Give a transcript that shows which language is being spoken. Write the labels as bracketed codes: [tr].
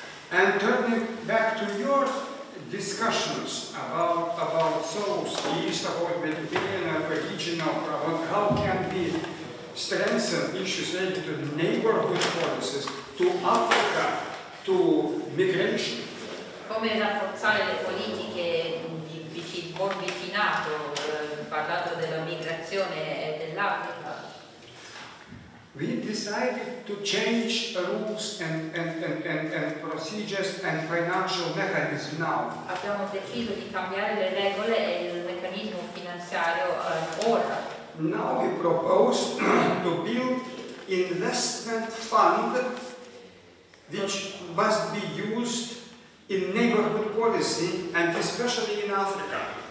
[en] And turning back to your discussions about souls, the East Avoidment, being a regional problem, how can we strengthen issues related to the neighborhood policies, to Africa, to migration? [it] Come rafforzare le politiche di vicinato, parlando della migrazione e dell'Africa? [en] We decided to change rules and procedures and financial mechanism now. [it] Abbiamo deciso di cambiare le regole e il meccanismo finanziario ora. [en] Now we propose to build investment fund which must be used in neighborhood policy and especially in Africa.